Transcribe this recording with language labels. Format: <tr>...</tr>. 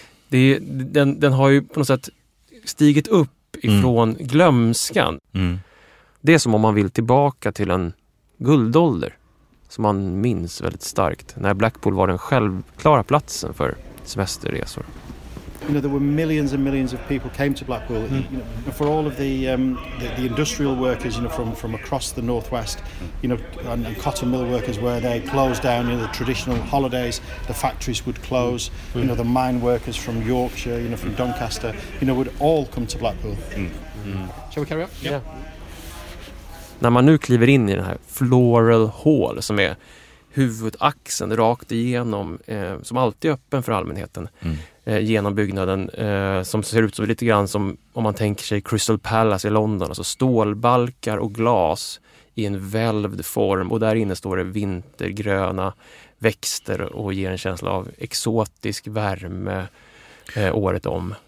<sv>Men det, den har ju på något sätt stigit upp ifrån glömskan. Det är som om man vill tillbaka till en guldålder som man minns väldigt starkt, när Blackpool var den självklara platsen för semesterresor.</sv> <en>You know, there were millions and millions of people came to Blackpool, you know, for all of the industrial workers, you know, from across the northwest, you know, and cotton mill workers, where they closed down, you know, the traditional holidays, the factories would close, you know, the mine workers from Yorkshire, you know, from Doncaster, you know, would all come to Blackpool. Shall we carry on? Yeah.</en> <sv>När man nu kliver in i den här Floral Hall som är huvudaxeln rakt igenom, som alltid är öppen för allmänheten, genom byggnaden, som ser ut som lite grann som om man tänker sig Crystal Palace i London, alltså stålbalkar och glas i en välvd form, och där inne står det vintergröna växter och ger en känsla av exotisk värme året om.</sv>